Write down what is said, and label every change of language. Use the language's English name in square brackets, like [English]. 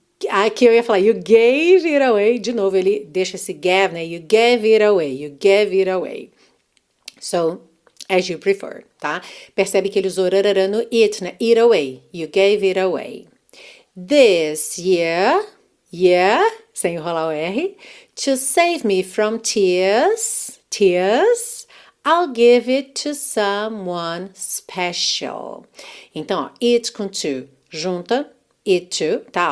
[Portuguese] Aqui eu ia falar, [English] you gave it away. [Portuguese] De novo, ele deixa esse gave, né? [English] You gave it away, you gave it away. So, as you prefer, tá? [Portuguese] Percebe que ele usou rarara no it, né? [English] It away, you gave it away. This year, [Portuguese] sem enrolar o R, [English] to save me from tears, I'll give it to someone special. [Portuguese] Então, ó, it com to, junta. It to, tá?